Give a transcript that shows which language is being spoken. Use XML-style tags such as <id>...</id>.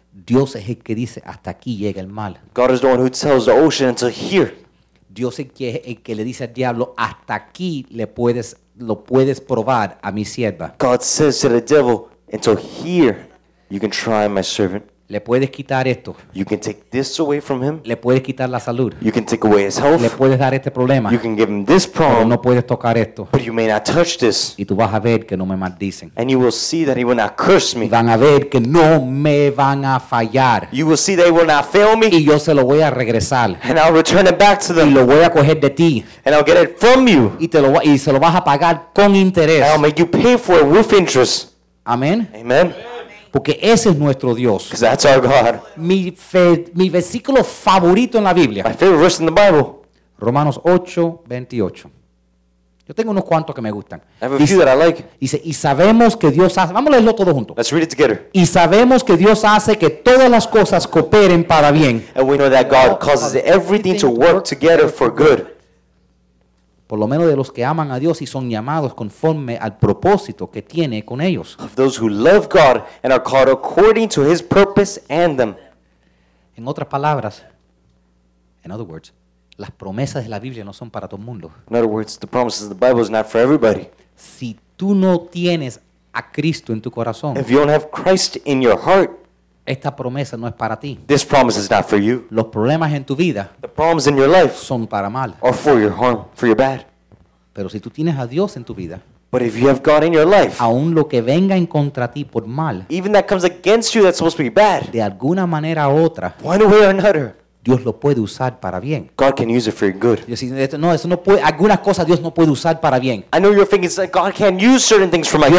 <es>Dios es el que dice, hasta aquí llega el mal.</es> <en>God is the one who tells the ocean until here.</en> <es>Dios es el que le dice al diablo, hasta aquí lo puedes probar a mi sierva.</es> <en>God says to the devil, until here you can try my servant.</en> <es>Le puedes quitar esto.</es> <en>You can take this away from him.</en> <es>Le puedes quitar la salud.</es> <en>You can take away his health.</en> <es>Le puedes dar este problema.</es> <en>You can give him this problem.</en> <es>Pero no puedes tocar esto.</es> <en>But you may not touch this.</en> <es>Y tú vas a ver que no me maldicen.</es> <en>And you will see that he will not curse me.</en> <es>Y van a ver que no me van a fallar.</es> <en>You will see that he will not fail me.</en> <es>Y yo se lo voy a regresar.</es> <en>And I'll return it back to them.</en> <es>Y lo voy a coger de ti.</es> <en>And I'll get it from you.</en> <es>Y te lo y se lo vas a pagar con interés.</es> <en>And I'll make you pay for it with interest. Amen. Amen.</en> <es>Porque ese es nuestro Dios.</es> <en>Because that's our God.</en> <es>Mi versículo favorito en la Biblia.</es> <en>My favorite verse in the Bible.</en> <es>Romanos 8:28. Yo tengo unos cuantos que me gustan.</es> <en>I have a few that I like.</en> <es>Dice, y sabemos que Dios hace. Vamos a leerlo todos juntos.</es> <en>Let's read it together.</en> <es>Y sabemos que Dios hace que todas las cosas cooperen para bien.</es> <en>And we know that God causes everything to work together for good.</en> <es>Por lo menos de los que aman a Dios y son llamados conforme al propósito que tiene con ellos.</es> <en>Of those who love God and are called according to his purpose and them.</en> <es>En otras palabras,</es> <en>in other words,</en> <es>las promesas de la Biblia no son para todo el mundo.</es> <en>In other words, the promises of the Bible is not for everybody.</en> <es>Si tú no tienes a Cristo en tu corazón.</es> <en>If you don't have Christ in your heart.</en> <es>Esta promesa no es para ti.</es> <en>This promise is not for you.</en> <es>Los problemas en tu vida</es> <en>the problems in your life</en> <es>son para mal.</es> <en>Are for your harm, for your bad.</en> <es>Pero si tú tienes a Dios en tu vida,</es> <en>but if you have God in your life,</en> <es>aun lo que venga en contra ti por mal,</es> <en>even that comes against you that's supposed to be bad,</en> <es>de alguna manera u otra,</es> <en>one way or another,</en> <es>Dios lo puede usar para bien.</es> <en>God can use it for your good.</en> <es>No, eso no puede, algunas cosas Dios no puede usar para bien.</es> <en>I know you're thinking that God can use certain things for my good.</en>